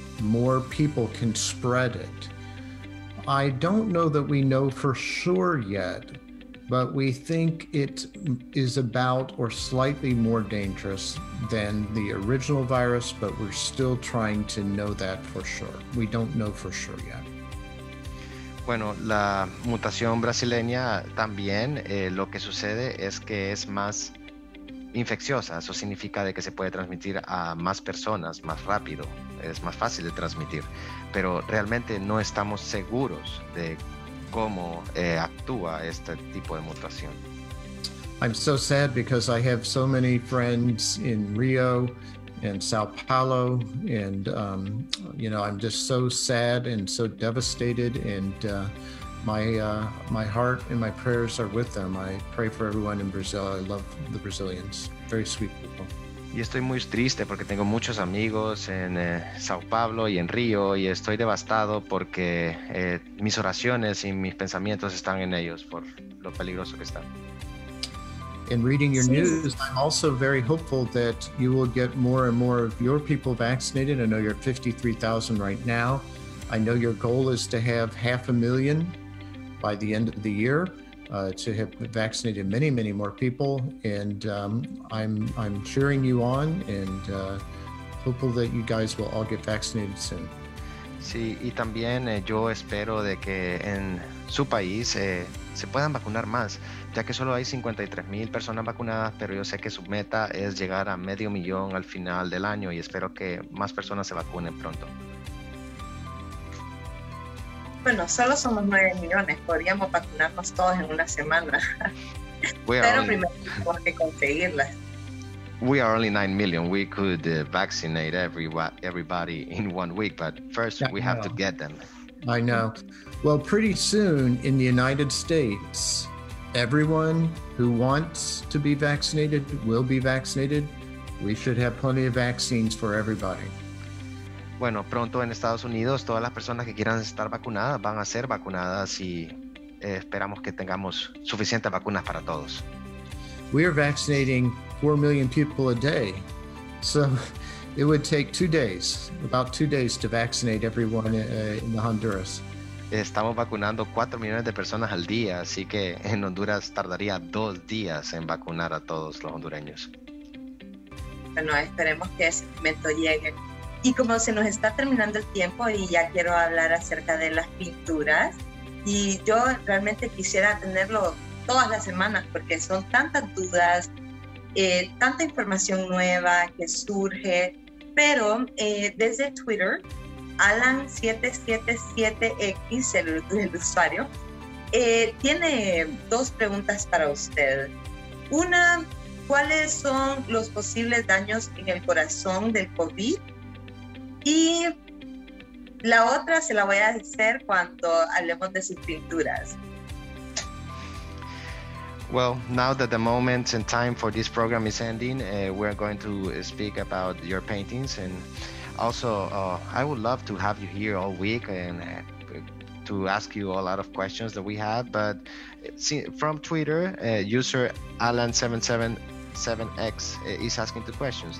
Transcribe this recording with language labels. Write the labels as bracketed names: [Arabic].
[English] More people can spread it. I don't know that we know for sure yet, but we think it is about or slightly more dangerous than the original virus, but we're still trying to know that for sure. We don't know for sure yet. [Spanish] Bueno, la mutación brasileña también, lo que sucede es que es más infecciosa. Eso significa de que se puede transmitir a más personas más rápido. Es más fácil de transmitir. Pero realmente no estamos seguros de cómo actúa este tipo de mutación. [English] I'm so sad because I have so many friends in Rio and Sao Paulo, and you know, I'm just so sad and so devastated, and my heart and my prayers are with them. I pray for everyone in Brazil. I love the Brazilians. Very sweet people. [Spanish] Y estoy muy triste porque tengo muchos amigos en Sao Paulo y en Río, y estoy devastado porque mis oraciones y mis pensamientos están en ellos por lo peligroso que están. [English] In reading your news, I'm also very hopeful that you will get more and more of your people vaccinated. I know you're 53,000 right now. I know your goal is to have 500,000 by the end of the year. To have vaccinated many, many more people, and I'm cheering you on, and hopeful that you guys will all get vaccinated soon. [Spanish] Sí, y también yo espero de que en su país se puedan vacunar más, ya que solo hay 53,000 personas vacunadas, pero yo sé que su meta es llegar a 500,000 al final del año, y espero que más personas se vacunen pronto. Bueno, solo somos 9 millones, podríamos vacunarnos todos en una semana. Pero primero tenemos que conseguirlas. [English] We are only 9 million. We could vaccinate everybody in 1 week, but first we have to get them. I know. Well, pretty soon in the United States, everyone who wants to be vaccinated will be vaccinated. We should have plenty of vaccines for everybody. [Spanish] Bueno, pronto en Estados Unidos todas las personas que quieran estar vacunadas van a ser vacunadas, y esperamos que tengamos suficientes vacunas para todos. [English] We are vaccinating 4 million people a day, so it would take about two days to vaccinate everyone in Honduras. [Spanish] Estamos vacunando 4 millones de personas al día, así que en Honduras tardaría 2 días en vacunar a todos los hondureños. Bueno, esperemos que ese momento llegue. Y como se nos está terminando el tiempo, y ya quiero hablar acerca de las pinturas, y yo realmente quisiera tenerlo todas las semanas porque son tantas dudas, tanta información nueva que surge, pero desde Twitter, Alan777X, el usuario, tiene dos preguntas para usted. Una, ¿cuáles son los posibles daños en el corazón del COVID? Y la otra se la voy a hacer cuando hablemos de sus pinturas. [English] Well, now that the moment and time for this program is ending, we're going to speak about your paintings. And also, I would love to have you here all week and to ask you a lot of questions that we have. But from Twitter, user Alan777X is asking two questions.